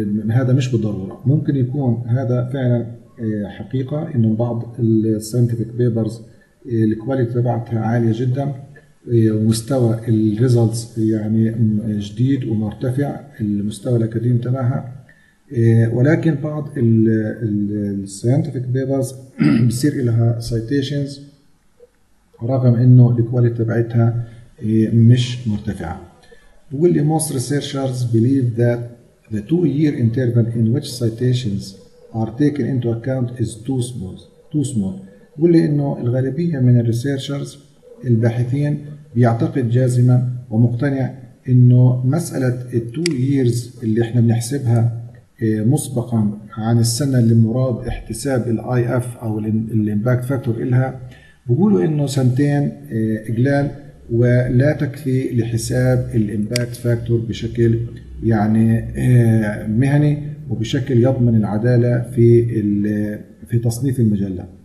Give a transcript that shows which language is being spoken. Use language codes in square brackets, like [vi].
[ar] هذا مش بالضروره، ممكن يكون هذا فعلا حقيقه انه بعض الساينتفك بيبرز الكواليتي تبعتها عاليه جدا ومستوى الريزلتس يعني جديد ومرتفع المستوى الاكاديمي تبعها، ولكن بعض الساينتفك بيبرز بيصير لها سايتيشنز رغم انه الكواليتي تبعتها مش مرتفعة. بيقول لي [en] most researchers believe that the 2-year interval in which citations are taken into account is too small. [ar] بيقول لي إنه الغالبية من الريسيرشرز الباحثين بيعتقد جازما ومقتنع إنه مسألة التو ييرز اللي احنا بنحسبها مسبقا عن السنة اللي مراد احتساب الاي اف او الامباكت فاكتور إلها، بيقولوا إنه سنتين إجلال ولا تكفي لحساب الامباكت فاكتور بشكل يعني مهني وبشكل يضمن العدالة في تصنيف المجلة.